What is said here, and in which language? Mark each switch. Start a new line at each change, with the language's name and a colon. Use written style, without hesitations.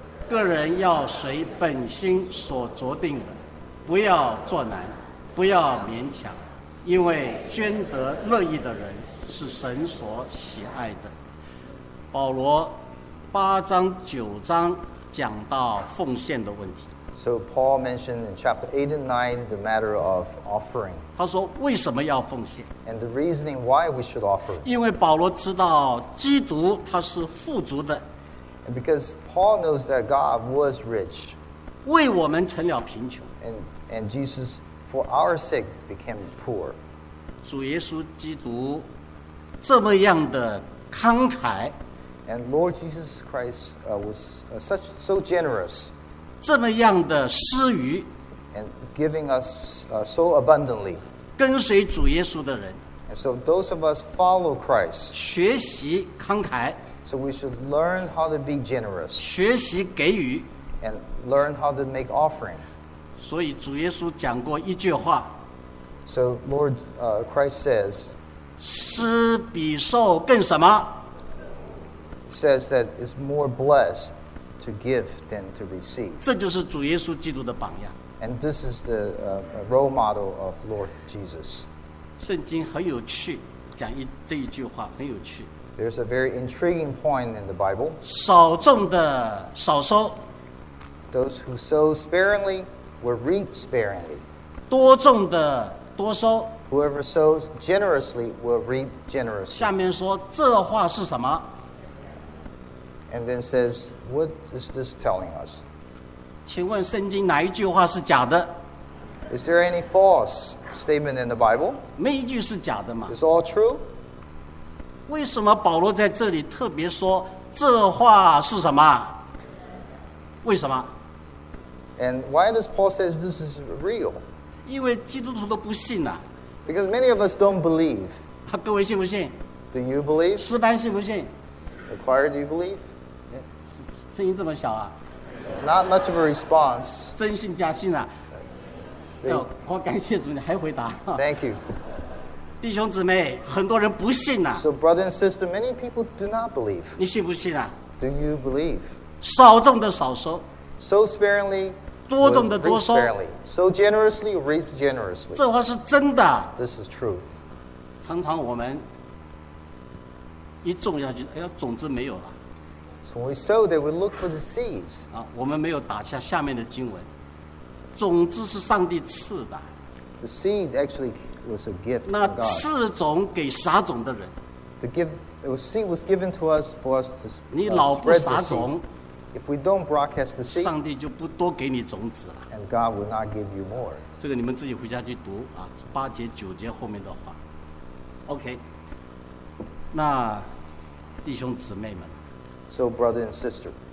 Chinese: 个人要随本心所酌定的，不要作难，不要勉强，因为捐得乐意的人是神所喜爱的。保罗八章九章讲到奉献的问题。
English: So Paul mentioned in chapter 8 and 9 the matter of offering.
Chinese: 他说为什么要奉献?
English: And the reasoning why we should offer.
Chinese: 因为保罗知道基督他是富足的。
English: And because Paul knows that God was rich.
Chinese: 为我们成了贫穷。
English: And Jesus, for our sake, became poor.
Chinese: 主耶稣基督这么样的慷慨。
English: And Lord Jesus Christ was such so generous.
Chinese: 这么样的施予。
English: And giving us so abundantly.
Chinese: 跟随主耶稣的人。
English: And so those of us follow Christ.
Chinese: 学习慷慨。
English: So we should learn how to be generous.
Chinese: 学习给予。
English: And learn how to make offering.
Chinese: 所以主耶稣讲过一句话。
English: So Lord Christ says.
Chinese: 施比受更什么？
English: Says that it's more blessed to give than to receive.
Chinese: 这就是主耶稣基督的榜样。
English: And this is the role model of Lord Jesus.
Chinese: 圣经很有趣，讲一这一句话很有趣。
English: There's a very intriguing point in the Bible.
Chinese: 少种的少收。
English: Those who sow sparingly will reap sparingly.
Chinese: 多种的多收。
English: Whoever sows generously will reap generously.
Chinese: 下面说这话是什么？
English: And then says, what is this telling us?
Chinese: 请问圣经哪一句话是假的?
English: Is there any false statement in the Bible?
Chinese: 没一句是假的吗?
English: It's all true?
Chinese: 为什么保罗在这里特别说这话是什么? 为什么?
English: And why does Paul say this is real?
Chinese: 因为基督徒都不信啊。
English: Because many of us don't believe.
Chinese: 各位信不信?
English: Do you believe?
Chinese: 诗班信不信?
English: The choir, do you believe?
Chinese: 声音这么小啊
English: ！Not much of a response.
Chinese: 真信假信啊？要我感谢主，你还回答。
English: Thank you.
Chinese: 弟兄姊妹，很多人不信呐、啊。
English: So brother and sister, many people do not believe.
Chinese: 你信不信啊
English: ？Do you believe?
Chinese: 少种的少收。
English: So sparingly.
Chinese: 多种的多收。
English: So generously, reap generously.
Chinese: 这话是真的。
English: This is truth.
Chinese: 常常我们一种下去，哎呀，种子没有了。
English: When we sow, they will look for the seeds.
Chinese: 啊，我们没有打下下面的经文。种子是上帝赐的。
English: The seed actually was a gift.
Chinese: 那赐种给撒种的人。
English: The gift, the seed was given to us for us to spread the seed.
Chinese: 你老不撒种
English: ，if we don't broadcast the seed,
Chinese: 上帝就不多给你种子了。
English: And God will not give you more.
Chinese: 这个你们自己回家去读啊，八节九节后面的话。 OK， 那弟兄姊妹们。
English: So, brother and sister,